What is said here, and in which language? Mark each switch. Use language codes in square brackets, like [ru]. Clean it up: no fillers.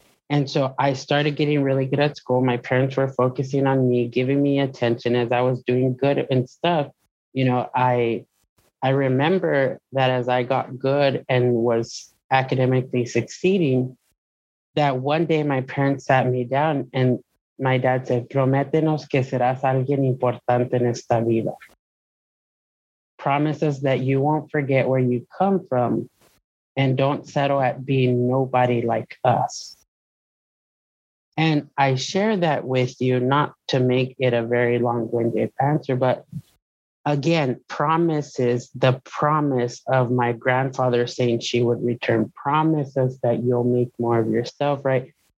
[en] And so I started getting really good at school. My parents were focusing on me, giving me attention as I was doing good and stuff. You know, I remember that as I got good and was academically succeeding, that one day my parents sat me down and My dad said, [es] prométenos que serás alguien importante en esta vida. [en] Promises that you won't forget where you come from and don't settle at being nobody like us. And I share that with you, not to make it a very long-winded answer, but again, promises, the promise of my grandfather saying she would return, promises that you'll make more of yourself, right?